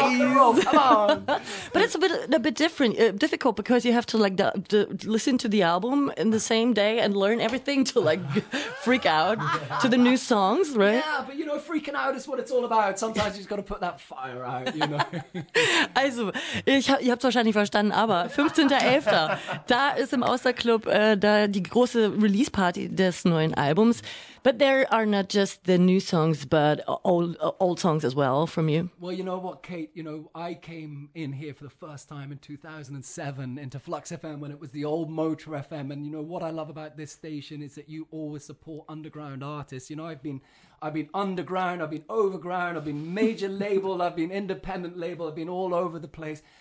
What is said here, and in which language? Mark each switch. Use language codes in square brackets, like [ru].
[en] Rock and roll, come on. But it's a bit different, difficult, because you have to, like, listen to the album in the same day and learn everything to, like, freak out to the new songs, right? Yeah, but, you know, freaking out is what it's all about. Sometimes you just got to put that fire out, you know. [de] Also, ihr habt es wahrscheinlich verstanden, aber 15.11., da ist im Ouster Club die große Release-Party des neuen Albums. [en] But there are not just the new songs, but old songs as well from you. Well, you know what, Kate? You know, I came in here for the first time in 2007 into Flux FM when it was the old Motor FM. And you know what I love about this station is that you always support underground artists. You know, I've been underground, I've been overground, I've been major label, I've been independent label, I've been all over the place.